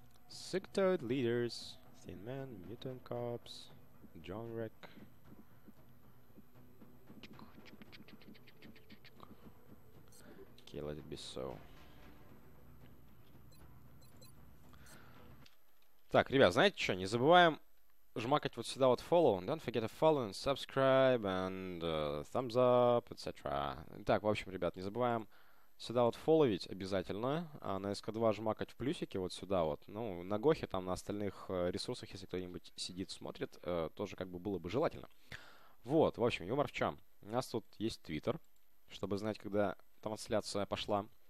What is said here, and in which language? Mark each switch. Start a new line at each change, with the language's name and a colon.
English: Sectoid leaders. Thin man. Mutant cops. John Wreck. Окей, let it be so.
Russian: Так, ребят, знаете что? Не забываем жмакать вот сюда вот follow.
English: Don't forget to follow and subscribe and thumbs up, etc.
Russian: Так, в общем, ребят, не забываем сюда вот фолловить обязательно, а на СК2 жмакать в плюсики вот сюда вот. Ну, на Гохе, там, на остальных ресурсах, если кто-нибудь сидит, смотрит, тоже как бы было бы желательно. Вот, в общем, юмор в чем? У нас тут есть Twitter, чтобы знать, когда трансляция пошла.